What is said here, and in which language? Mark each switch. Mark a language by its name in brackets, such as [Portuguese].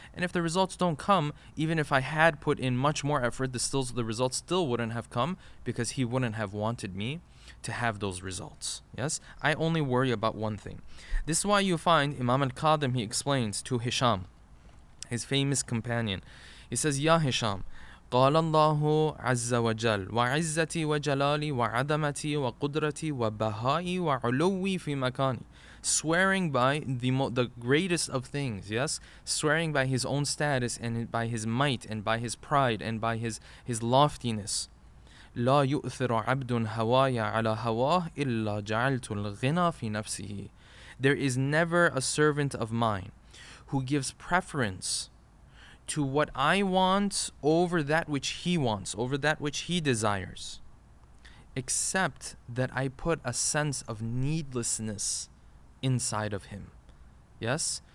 [English] And if the results don't come, even if I had put in much more effort, the results still wouldn't have come because He wouldn't have wanted me to have those results. Yes, I only worry about one thing. This is why you find Imam al-Qadim, he explains to Hisham, his famous companion. He says, [Arabic] Ya Hisham, قال الله عز وجل وعزتي وجلالي وعظمتي وقدرتي وبهائي وعلوي في مكاني. [English] Swearing by the greatest of things, yes? Swearing by his own status and by his might and by his pride and by his loftiness. [Arabic] لا يؤثر عبد هوايا على هواه إلا جعلت الغنى في نفسه. [English] There is never a servant of mine who gives preference to what I want over that which he wants, over that which he desires, except that I put a sense of needlessness inside of him. Yes?